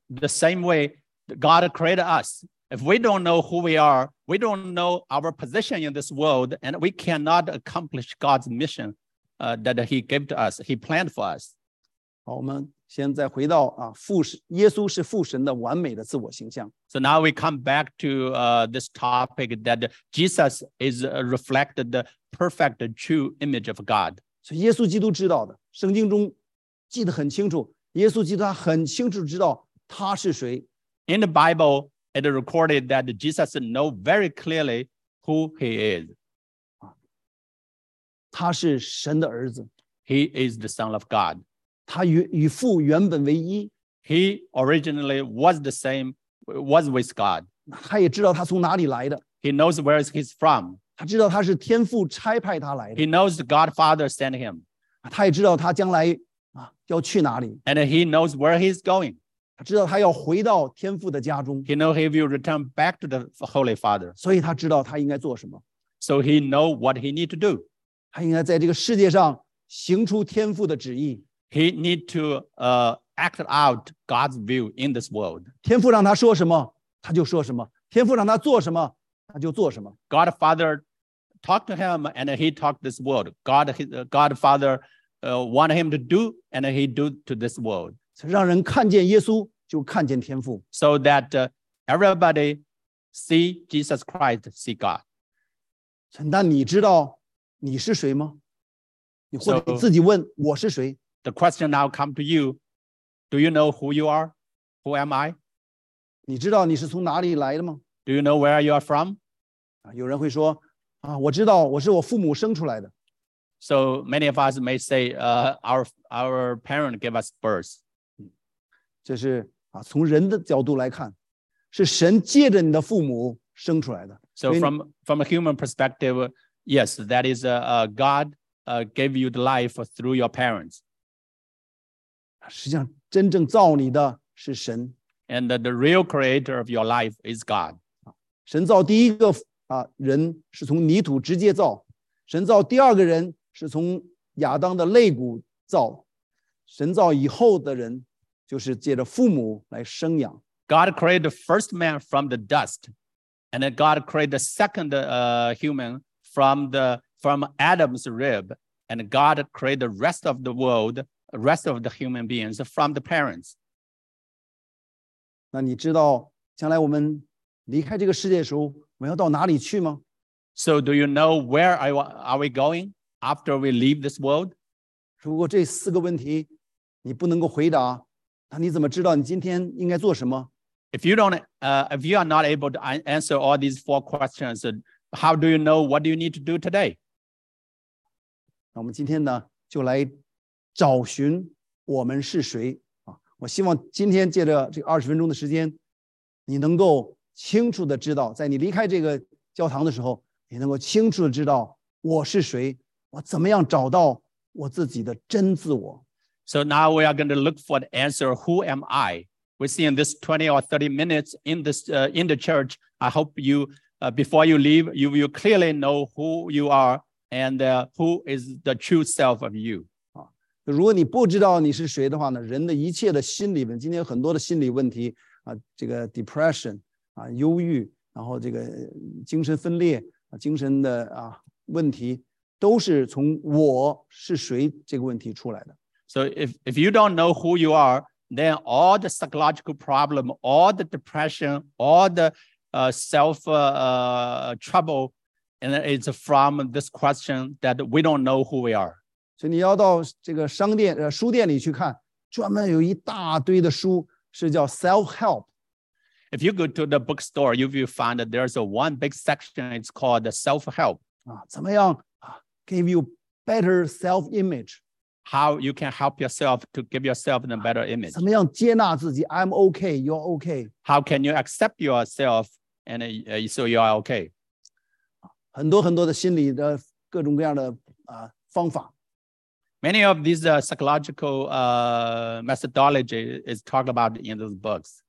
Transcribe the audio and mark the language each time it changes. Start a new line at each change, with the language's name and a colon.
English: The same way God created us. If we don't know who we are, we don't know our position in this world, and we cannot accomplish God's mission that He gave to us, He planned for us.
Chinese: 好，我们现在回到啊，父是耶稣是父神的完美的自我形象。
English: So now we come back to this topic that Jesus is reflected the perfect true image of God.
Chinese: 所以耶稣基督知道的，圣经中记得很清楚，耶稣基督他很清楚知道他是谁。
English: In the Bible, it recorded that Jesus knows very clearly who he is.
Chinese: 他是神的儿子。
English: He is the Son of God.
Chinese: 他 与父原本为一。
English: He originally was the same, was with God.
Chinese: 他也知道他从哪里来的。
English: He knows where he's from.
Chinese: 他知道他是天父差派他来的。
English: He knows the God Father sent him.
Chinese: 他也知道他将来要去哪里。
English: And he knows where he's going.
Chinese: 他知道他要回到天父的家中。
English: He knows he will return back to the Holy Father.
Chinese: 所以他知道他应该做什么。
English: So he knows what he needs to do.
Chinese: 他应该在这个世界上行出天父的旨意。
English: He needs to act out God's will in this world.
Chinese: 天父让他说什么他就说什么，天父让他做什么他就做什么。
English: God Father talked to him and he talked this world. God Fatherwant him to do, and he do to this world.
Chinese: 让人看见耶稣就看见天父。
English: So that everybody see Jesus Christ, see God.
Chinese: 那你知道你是谁吗？你或者自己问我是谁。
English: So, the question now come to you. Do you know who you are? Who am I?
Chinese: 你知道你是从哪里来的吗？
English: Do you know where you are from?
Chinese: 有人会说，我知道我是我父母生出来的。
English: So many of us may say, our parent gave us birth.
Chinese: 这是从人的角度来看，是神借着你的父母生出来的。
English: So from a human perspective, yes, that is God gave you the life through your parents.
Chinese: 实际上真正造你的是神。
English: And the real creator of your life is God.
Chinese: 神造第一个人是从泥土直接造，神造第二个人是从亚当的肋骨造，神造以后的人就是借着父母来生养。
English: God created the first man from the dust, and then God created the second human from Adam's rib, and God created the rest of the world, the rest of the human beings from the parents.
Chinese: 那你知道将来我们离开这个世界的时候我们要到哪里去吗？
English: So do you know where are we going? After we leave this world?
Chinese: 如果这四个问题你不能够回答，那你怎么知道你今天应该做什么？
English: If you are not able to answer all these four questions, how do you know what you need to do today?
Chinese: 那我们今天呢，就来找寻我们是谁。我希望今天借着这二十分钟的时间，你能够清楚地知道，在你离开这个教堂的时候，你能够清楚地知道我是谁。我怎么样找到我自己的真自我？
English: So now we are going to look for the answer, who am I? We see in this 20 or 30 minutes in the church, I hope you, before you leave, you will clearly know who you are and who is the true self of you.
Chinese: 如果你不知道你是谁的话呢，人的一切的心理问题，今天很多的心理问题，这个 depression, 忧郁，然后这个精神分裂，精神的问题，都是从我是谁这个问题出来的。
English: So if you don't know who you are, then all the psychological problem, all the depression, all the trouble, and it's from this question that we don't know who we are.
Chinese: 所以你要到这个商店书店里去看，专门有一大堆的书是叫 self-help.
English: If you go to the bookstore, you will find that there's a one big section, it's called the self-help.
Chinese: 怎么样
English: give you better self-image. How you can help yourself to give yourself a better image.
Chinese: 怎么样接纳自己
English: I'm okay, you're okay. How can you accept yourself and so you are okay?
Chinese: 很多很多的心理的各种各样的方法。
English: Many of these psychological methodology is talked about in those books.